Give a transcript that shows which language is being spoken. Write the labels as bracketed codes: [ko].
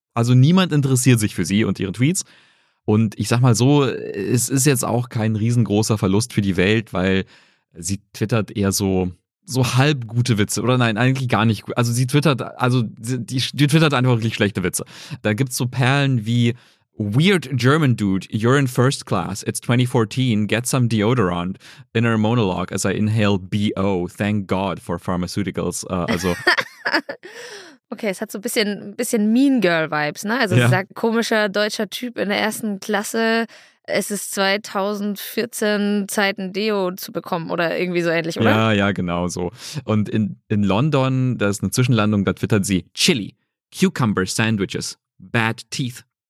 [de] Also niemand interessiert sich für sie und ihre Tweets. Und ich sag mal so, es ist jetzt auch kein riesengroßer Verlust für die Welt, weil sie twittert eher so halb gute Witze. Oder nein, eigentlich gar nicht gut. Also sie twittert, die twittert einfach wirklich schlechte Witze. Da gibt's so Perlen wie [en] Weird German Dude, you're in first class, it's 2014, get some deodorant, inner monologue as I inhale BO, thank God for pharmaceuticals. [de] Okay, es hat so ein bisschen Mean Girl Vibes, ne? Also Sie sagt, komischer deutscher Typ in der ersten Klasse, es ist 2014 Zeit, ein Deo zu bekommen oder irgendwie so ähnlich, oder? Ja, genau so. Und in London, da ist eine Zwischenlandung, da twittert sie, [en] Chili, Cucumber Sandwiches, bad teeth.